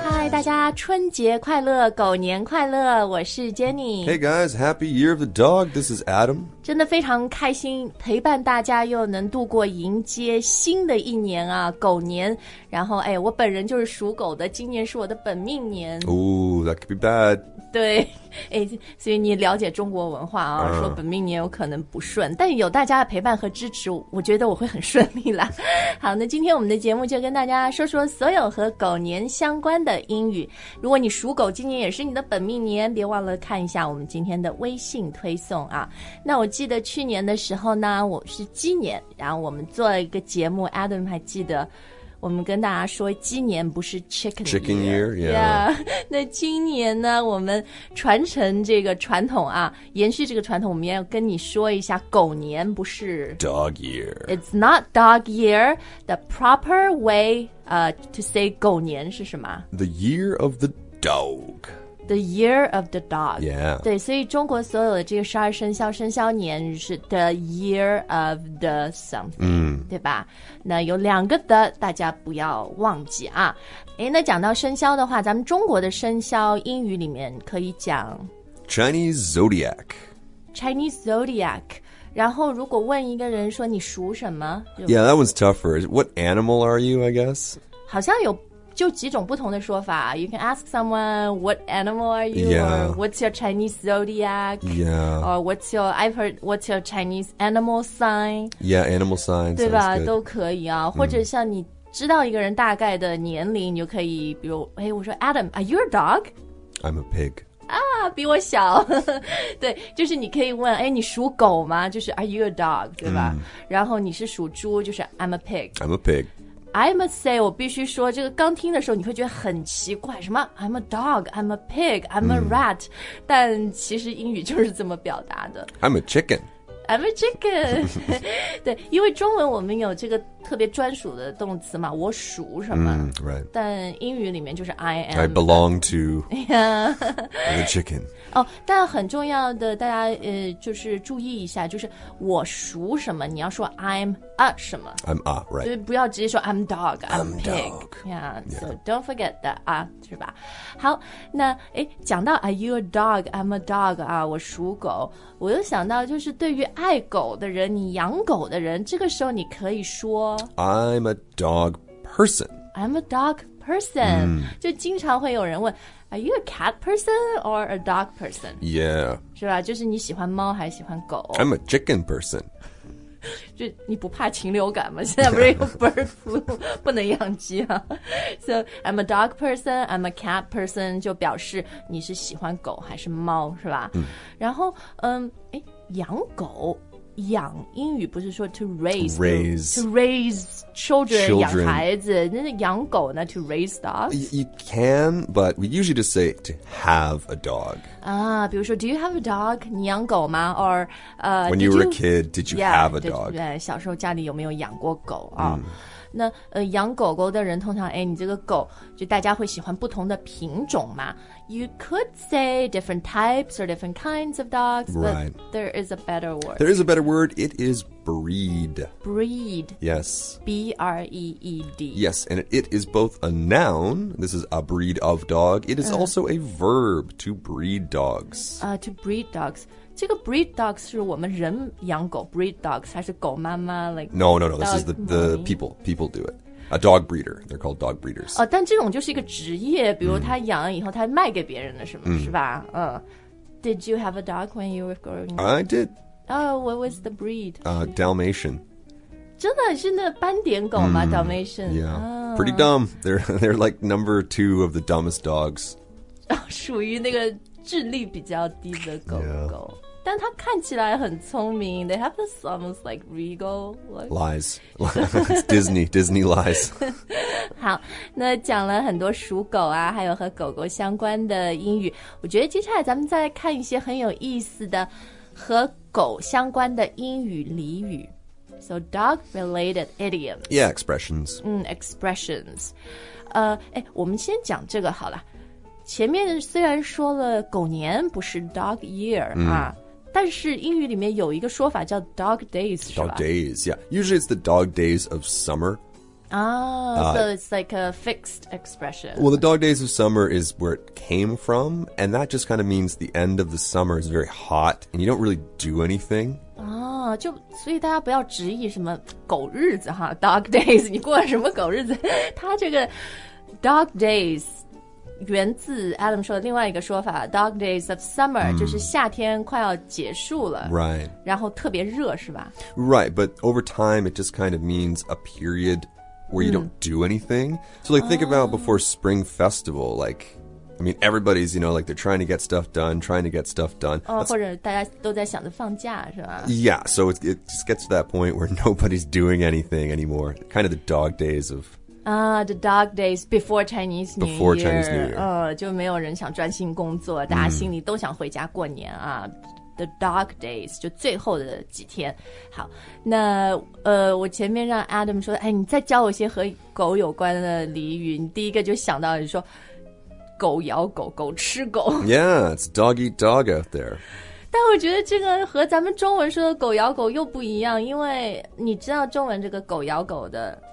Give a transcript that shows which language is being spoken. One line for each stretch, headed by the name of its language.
Chinese: 大家春节快乐，狗年快乐，我是 Jenny。
English: Hey guys, happy year of the dog, this is Adam.
Chinese: 真的非常开心陪伴大家又能度过迎接新的一年啊，狗年。然后哎，我本人就是属狗的，今年是我的本命年。
English: Ooh, that could be bad.
Chinese: 对，哎，所以你了解中国文化啊，说本命年有可能不顺，但有大家的陪伴和支持，我觉得我会很顺利啦。好，那今天我们的节目就跟大家说说所有和狗年相关的英语。如果你属狗，今年也是你的本命年，别忘了看一下我们今天的微信推送啊。那我记得去年的时候呢，我是鸡年，然后我们做一个节目， Adam 还记得我们跟大家说鸡年不是
English: chicken year
Chinese: yeah. 那今年呢，我们传承这个传统啊，延续这个传统，我们要跟你说一下狗年不是
English: dog year. It's not dog year. The proper way to say
Chinese: 狗年是什么？
English: The year of the dog. The year of the dog. Yeah.
Chinese: 对，所以中国所有的这个十二生肖生肖年是
English: the year of the something、 mm.
Chinese: 对吧？那有两个的，大家不要忘记啊。哎，那讲到生肖的话，咱们中国的生肖英语里面可以讲
English: Chinese Zodiac。
Chinese: 然后如果问一个人说你属什么
English: ？Yeah, that one's tougher. What animal are you? I guess.
Chinese: 好像有就几种不同的说法。
English: You can ask someone what animal are you? Yeah. What's your Chinese zodiac? Yeah. Or what's your, I've heard, what's your Chinese animal sign? Yeah, animal sign.
Chinese: 对吧？都可以啊。或者像你知道一个人大概的年龄，你就可以，比如，哎，我说 Adam,
English: are you a dog? I'm a pig.
Chinese: 啊，比我小。对，就是你可以问，哎，你属狗吗？就是
English: are you a dog?
Chinese: 对吧？然后你是属猪，就是
English: I'm a pig. I'm a pig. I must say,
Chinese: 我必须说这个刚听的时候你会觉得很奇怪，什么
English: I'm a dog, I'm a pig, I'm a rat、
Chinese: mm. 但其实英语就是这么表达的。
English: I'm a chicken. I'm a chicken.
Chinese: 对，因为中文我们有这个特别专属的动词嘛，我属什么、
English: right.
Chinese: 但英语里面就是
English: I am, I belong to、 yeah. the chicken.
Chinese: 哦，但很重要的大家就是注意一下，就是我属什么你要说
English: I'm a
Chinese: 什么，
English: I'm a, right,
Chinese: 就不要直接说
English: I'm dog, I'm pig, dog. Yeah, so don't forget that,
Chinese: 啊，是吧。好，那诶，讲到
English: are you a dog, I'm a dog,
Chinese: 啊，我属狗，我又想到就是对于爱狗的人，你养狗的人，这个时候你可以说
English: I'm a dog person. I'm a dog person.、 Mm. 就经常会有人问 Are you a cat person or a dog person? Yeah.
Chinese: 是吧？就是你喜欢猫还是喜欢狗？
English: I'm a chicken person.
Chinese: 就你不怕禽流感吗？现在不是有 bird flu 不能养鸡啊。
English: So I'm a dog person. I'm a cat person.
Chinese: 就表示你是喜欢狗还是猫，是吧？ Mm. 然后养狗。养英语不是说
English: to raise, raise to raise children, children.
Chinese: 养孩子，那养狗呢
English: to raise dogs? You can, but we usually just say to have a dog.
Chinese: 啊，比如说
English: do you have a dog?
Chinese: 你养狗吗？
English: Or, when you were a kid, did you yeah, have a dog?
Chinese: 对，小时候家里有没有养过狗啊？ Mm. 那养狗狗的人通常哎，你这个狗就大家会喜欢不同的品种嘛。
English: You could say different types or different kinds of dogs, right? But there is a better word. There is a better word. It is breed. Breed. Yes. B-R-E-E-D. Yes, and it is both a noun. This is a breed of dog. It is also a verb to breed dogs. To breed dogs.
Chinese: 这个
English: breed dogs
Chinese: 是我们人养狗 breed dogs 还是狗妈妈 like
English: no this is the people do it, a dog breeder, they're called dog breeders.
Chinese: 哦，但这种就是一个职业，比如他养以后他卖给别人的什么、是吧？
English: 嗯、did you have a dog when you were growing up? I did. Oh, what was the breed? Dalmatian. 真的是那斑点狗吗 Dalmatian? Yeah,、pretty dumb. They're like number two of the dumbest dogs.
Chinese: 属于那个。智力比较低的狗狗、
English: yeah.
Chinese: 但它看起来很聪明
English: They have this almost like regal look. Lies. It's Disney lies.
Chinese: 好，那讲了很多属狗啊，还有和狗狗相关的英语，我觉得接下来咱们再看一些很有意思的和狗相关的英语俚语。
English: So dog-related idioms. Yeah, expressions.
Chinese: Expressions. 我们先讲这个好了。前面虽然说了狗年不是 dog year、mm. 啊，但是英语里面有一个说法叫
English: dog days, Dog days, yeah. Usually it's the dog days of summer. So it's like a fixed expression. Well, the dog days of summer is where it came from, and that just kind of means the end of the summer is very hot, and you don't really do anything.
Chinese: So 大家不要质疑什么狗日子哈
English: dog days,
Chinese: 你过什么狗日子。它这个 dog days... 源自 Adam 说的另外一个说法
English: Dog days of summer、
Chinese: mm. 就是夏天快要结束了
English: Right
Chinese: 然后特别热是吧
English: Right, but over time it just kind of means a period where you、mm. don't do anything So like think、oh. about before spring festival Like, I mean everybody's, you know, like they're trying to get stuff done、
Chinese: 或者大家都在想着放假是吧
English: Yeah, so it just gets to that point where nobody's doing anything anymore Kind of the dog days of The dog days before Chinese New Year. Before Chinese New Year.
Chinese: 就没有人想专心工作，大家心里都想回家过年啊。Mm.
English: The dog days,
Chinese: 就最后的几天。好，那我前面让 Adam 说，哎，你再教我一些和狗有关的俚语。你第一个就想到你说，狗咬狗，狗吃狗。
English: Yeah, it's dog eat dog out there.
Chinese: 但我觉得这个和咱们中文说的狗咬狗又不一样，因为你知道中文这个狗咬狗的